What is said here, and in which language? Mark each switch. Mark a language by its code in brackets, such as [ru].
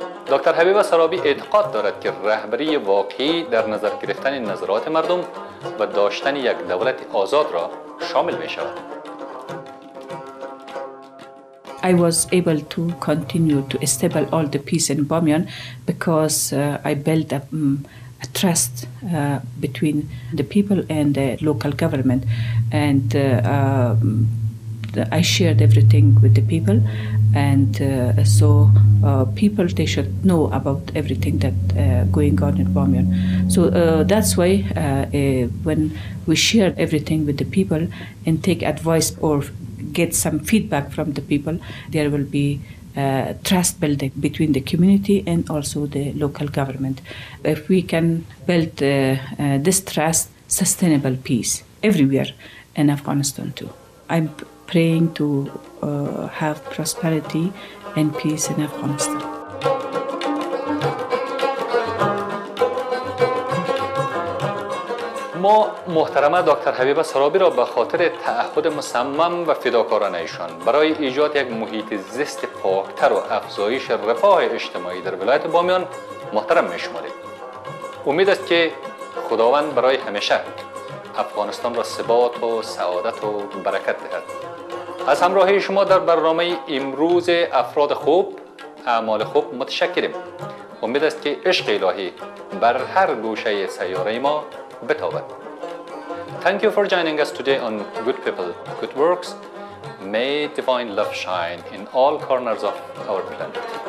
[fa] دکتر حبیبه سرابی اعتقاد دارد که رهبری واقعی در نظر گرفتن نظرات مردم و داشتن یک دولت آزاد را شامل می شود. [en] I was able to continue to establish all the peace in Bamyan because I built a trust between the people and the local government, and I shared everything with the people, and so people, they should know about everything that going on in Bamyan. So that's why when we share everything with the people and take advice or get some feedback from the people, there will be trust building between the community and also the local government. If we can build this trust, sustainable peace everywhere in Afghanistan too. I'm praying to have prosperity and peace in Afghanistan. [fa] ما محترمه دکتر حبیبه سرابی را به خاطر تعهد مصمم و فداکارانه ایشان برای ایجاد یک محیط زیست پاکتر و افزایش رفاه اجتماعی در ولایت بامیان محترم میشماریم. امید است که خداوند برای همیشه افغانستان را ثبات و سعادت و برکت دهد. از همراهی شما در برنامه امروز افراد خوب، اعمال خوب متشکریم. امید است که عشق الهی بر هر گوشه سیاره ما Beethoven. [en] Thank you for joining us today on Good People, Good Works. May divine love shine in all corners of our planet.